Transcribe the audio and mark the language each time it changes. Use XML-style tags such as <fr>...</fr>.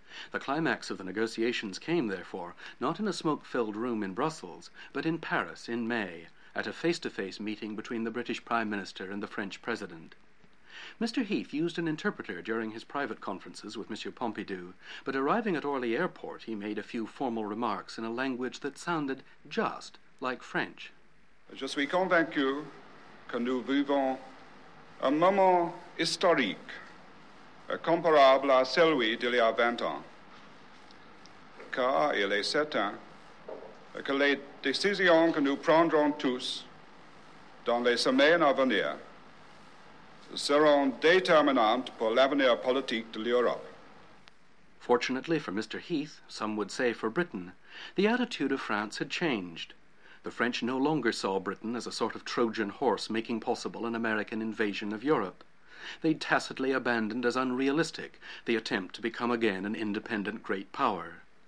<en>The climax of the negotiations came, therefore, not in a smoke-filled room in Brussels, but in Paris in May, at a face-to-face meeting between the British Prime Minister and the French President. Mr. Heath used an interpreter during his private conferences with Monsieur Pompidou, but arriving at Orly Airport, he made a few formal remarks in a language that sounded just like French.</en> <fr>Je suis convaincu que nous vivons un moment historique comparable à celui d'il y a 20 ans, car il est certain que les décisions que nous prendrons tous dans les semaines à venir seront déterminantes pour l'avenir politique de l'Europe.</fr> <en>Fortunately for Mr. Heath, some would say for Britain, the attitude of France had changed. The French no longer saw Britain as a sort of Trojan horse making possible an American invasion of Europe. They'd tacitly abandoned as unrealistic the attempt to become again an independent great power.</en>